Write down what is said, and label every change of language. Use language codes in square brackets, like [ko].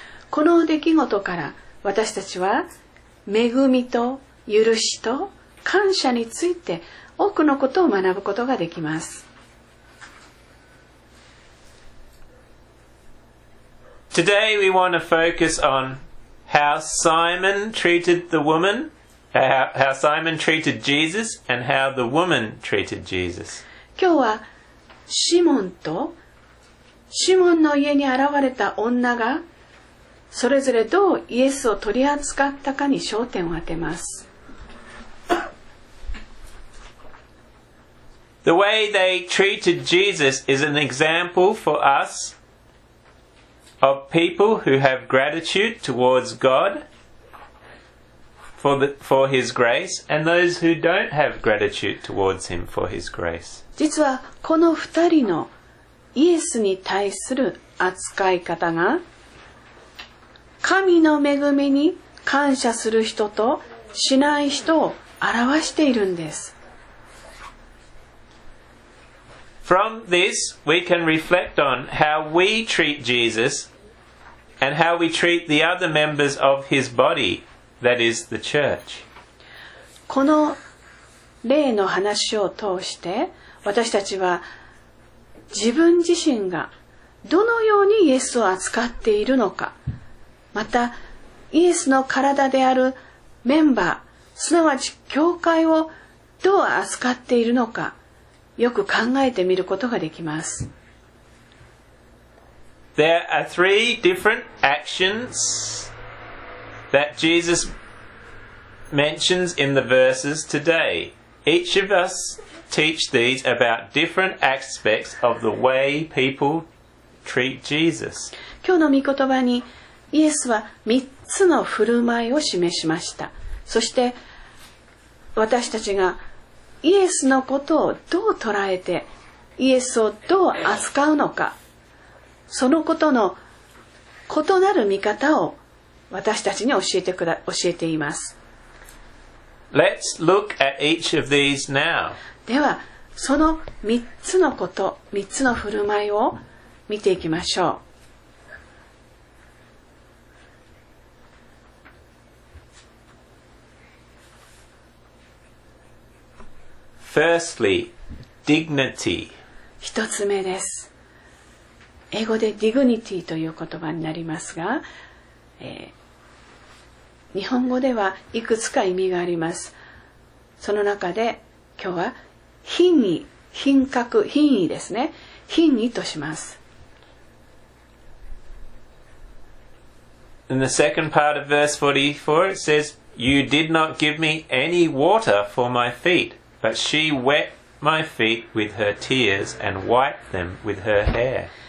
[ja] この出来事から私たちは恵みと許しと感謝について多くのことを学ぶことができます。 [en] Today we want to focus on how Simon treated the woman, how Simon treated Jesus, and how the woman treated Jesus. [ja] 今日はシモンとシモンの家に現れた女がそれぞれどうイエスを取り扱ったかに焦点を当てます。 [en] The way they treated Jesus is an example for us. Of people who have gratitude towards God for His grace, and those who don't have gratitude towards Him for His grace. [ja] 実はこの二人のイエスに対する扱い方が、神の恵みに感謝する人としない人を表しているんです。 [en] From this, we can reflect on how we treat Jesus. And how we treat the other members of his body, that is the church. [ja] この例の話を通して、私たちは自分自身がどのようにイエスを扱っているのか、またイエスの体であるメンバー、すなわち教会をどう扱っているのか、よく考えてみることができます。 [en] There are three different actions that Jesus mentions in the verses today. Each of us teach these about different aspects of the way people treat Jesus. [ja] 今日の御言葉にイエスは三つの振る舞いを示しました。そして私たちがイエスのことをどう捉えて、イエスをどう扱うのか、そのことの異なる見方を私たちに教えています。 [en] Let's look at each of these now. [ja] では、その三つのこと、三つの振る舞いを見ていきましょう。 [en] Firstly, dignity. [ja] 一つ目です。英語でディグニティという言葉になりますが、日本語ではいくつか意味があります。その中で今日は品位、品格、品位ですね。品位とします。 [en] In the second part of verse 44, it says, You did not give me any water for my feet, but she wet my feet with her tears and wiped them with her hair.